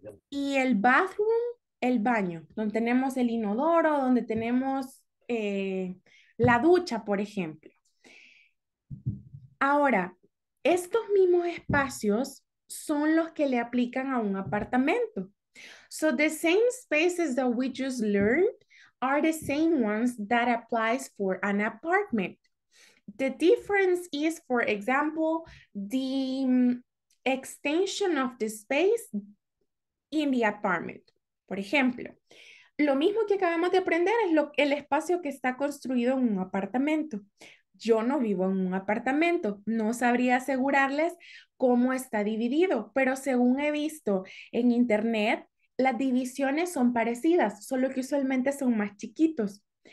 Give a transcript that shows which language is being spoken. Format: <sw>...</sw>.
<es>Y el bathroom, el baño, donde tenemos el inodoro, donde tenemos la ducha, por ejemplo. Ahora, estos mismos espacios son los que le aplican a un apartamento.</es> <en>So the same spaces that we just learned are the same ones that applies for an apartment. The difference is, for example, the extension of the space in the apartment.</en> <es>Por ejemplo, lo mismo que acabamos de aprender es el espacio que está construido en un apartamento. Yo no vivo en un apartamento, no sabría asegurarles cómo está dividido, pero según he visto en internet, las divisiones son parecidas, solo que usualmente son más chiquitos.</es>